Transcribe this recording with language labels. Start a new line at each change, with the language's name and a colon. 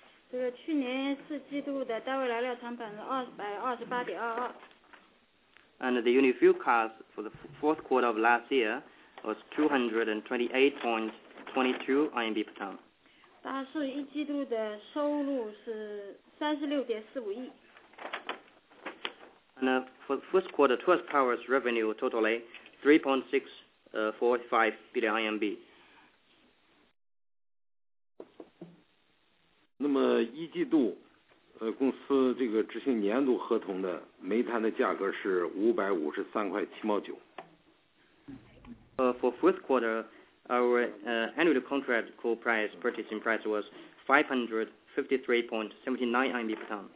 Chinese: 这个去年四季度的单位燃料成本是228.22。
English: And the unit fuel cost for the fourth quarter of last year was 228.22 RMB per ton.
Chinese: 大势一季度的收入是36.45亿。
English: And for the first quarter, Tuas Power's revenue totally 3.645 billion RMB.
Chinese: 那么一季度，公司这个执行年度合同的煤炭的价格是553.79。
English: For fourth quarter, our annual contract coal price purchasing price was 553.79 RMB per ton.